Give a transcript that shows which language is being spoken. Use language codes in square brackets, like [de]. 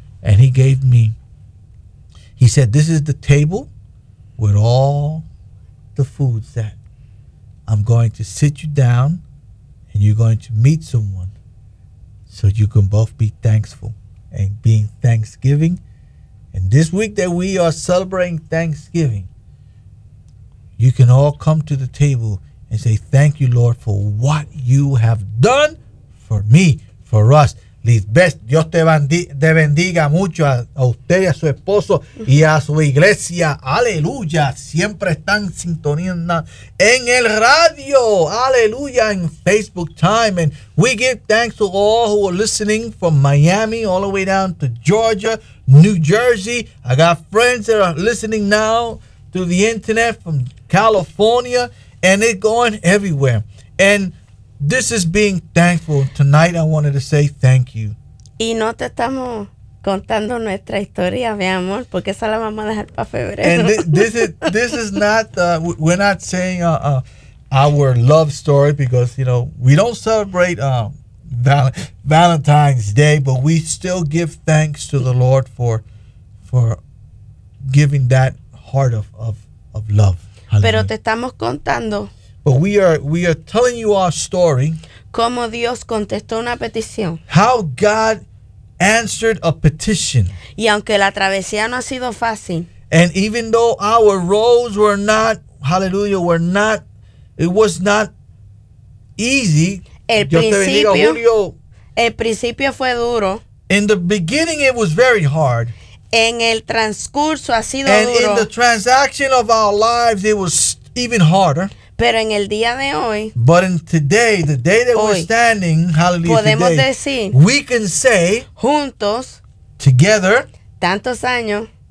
[en] And he gave me, he said, this is the table with all the foods that I'm going to sit you down and you're going to meet someone so you can both be thankful and being Thanksgiving. And this week that we are celebrating Thanksgiving, you can all come to the table and say, thank you, Lord, for what you have done. For me, for us, [es] Lisbeth, Dios te bendiga mucho a usted y a su esposo y a su iglesia. Aleluya. Siempre están sintonizando en el radio. Aleluya. En Facebook Time. [en] And we give thanks to all who are listening from Miami all the way down to Georgia, New Jersey. I got friends that are listening now through the internet from California. And it's going everywhere. And this is being thankful. Tonight I wanted to say thank you. [es] Y no te estamos contando nuestra historia, mi amor, porque esa la vamos a dejar para febrero. [en] And this is not our love story because, you know, we don't celebrate Valentine's Day, but we still give thanks to the Lord for giving that heart of love. [es] Hallelujah. Pero te estamos contando. [en] But we are telling you our story. [es] Como Dios contestó una petición. [en] How God answered a petition. [es] Y aunque la travesía no ha sido fácil. [en] And even though our roads were not, hallelujah, were not, it was not easy. [es] El principio, yo te bendiga, Julio, el principio fue duro. [en] In the beginning it was very hard. [es] En el transcurso ha sido [en] and [es] duro. [en] In the transaction of our lives it was even harder. [es] Pero en el día de hoy, [en] but in today, the day that hoy, we're standing, hallelujah, [es] podemos [en] today, [es] decir, [en] we can say, [es] juntos, [en] together, [es] tantos años,